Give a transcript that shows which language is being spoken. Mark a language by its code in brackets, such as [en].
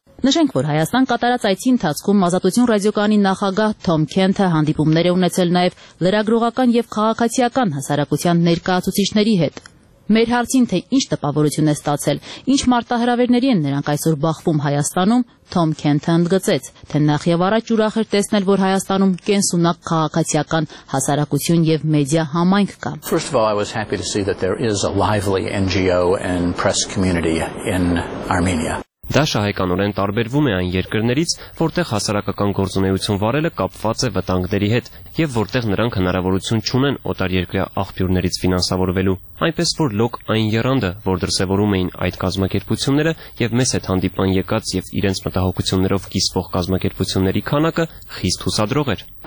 [hy] Նշենք, որ Հայաստան կատարած այս ընթացքում Ազատություն ռադիոկանի նախագահ Թոմ Քենթը հանդիպումներ է ունեցել նաև լրագրողական և քաղաքացիական հասարակության ներկայացուցիչների հետ։ Մեր հարցին, թե ինչ տպավորություն է ստացել, ինչ մարտահրավերների են նրանք այսօր բախվում Հայաստանում, Թոմ Քենթը ընդգծեց, թե նախ եւ առաջ ուրախ էր տեսնել, որ Հայաստանում կենսունակ քաղաքացիական հասարակություն եւ մեդիա համայնք կա։ [en] First of all, I was happy to see that there is a lively NGO and press community in Armenia. [hy] Դա շահեկանորեն տարբերվում է այն երկրներից, որտեղ հասարակական գործունեություն վարելը կապված է վտանգների հետ եւ որտեղ նրանք հնարավորություն չունեն օտար երկրյա աղբյուրներից ֆինանսավորվելու, այնպես որ լոկ այն երանդը, որ դրսևորում էին այդ կազմակերպությունները եւ մեզ հետ հանդիպան եկած եւ իրենց մտահոգություններով կիսվող կազմակերպությունների քանակը խիստ հուսադրող էր։